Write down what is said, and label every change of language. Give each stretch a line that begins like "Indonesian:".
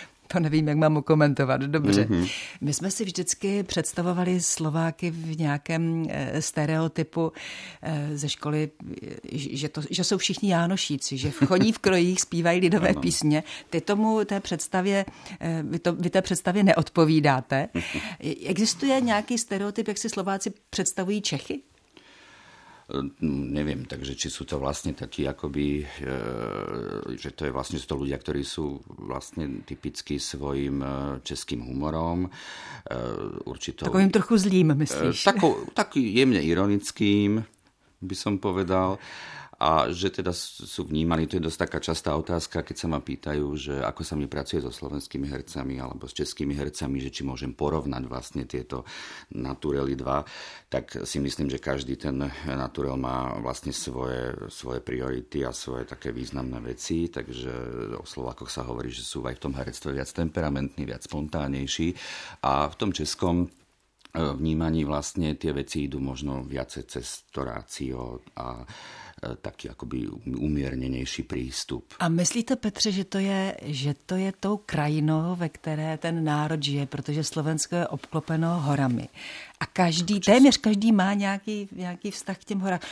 Czech: To nevím, jak mám komentovat. Dobře. Mm-hmm. My jsme si vždycky představovali Slováky v nějakém stereotypu ze školy, že jsou všichni jánošíci, že chodí v krojích, zpívají lidové písně. Ty tomu té představě, vy té představě neodpovídáte. Existuje nějaký stereotyp, jak si Slováci představují Čechy?
Slovak: Neviem, takže či sú to vlastne takí, akoby, že to je vlastne to ľudia, ktorí sú vlastne typicky svojim českým humorom.
Czech: Určitou, takovým trochu zlým, myslíš?
Slovak: Tak jemne ironickým, by som povedal. A že teda sú vnímaní, to je dosť taká častá otázka, keď sa ma pýtajú, že ako sa mi pracuje so slovenskými hercami alebo s českými hercami, že či môžem porovnať vlastne tieto naturely dva, tak si myslím, že každý ten naturel má vlastne svoje priority a svoje také významné veci, takže o Slovákoch sa hovorí, že sú aj v tom herectve viac temperamentní, viac spontánnejší a v tom českom vnímaní vlastne tie veci idú možno viacej cez to rácio a taký akoby umiernenejší prístup.
Czech: A myslíte, Petře, že to je tou krajinou, ve které ten národ žije, protože Slovensko je obklopeno horami. A každý, téměř každý má nějaký vzťah k těm horám.